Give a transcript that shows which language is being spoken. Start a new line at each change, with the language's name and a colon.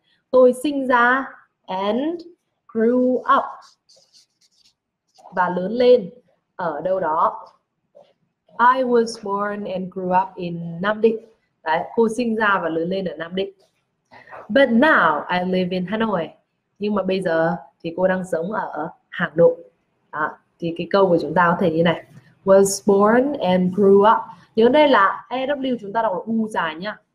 Vietnamese: Tôi sinh ra
English: and grew up
Vietnamese: và lớn lên ở đâu đó.
English: I was born and grew up in Nam Định.
Vietnamese: Đấy, cô sinh ra và lớn lên ở Nam Định.
English: But now I live in Hanoi.
Vietnamese: Nhưng mà bây giờ thì cô đang sống ở Hà Nội. À, thì cái câu của chúng ta có thể như này.
English: Was born and grew up.
Vietnamese: Nhớ đây là EW chúng ta đọc là U dài nhá.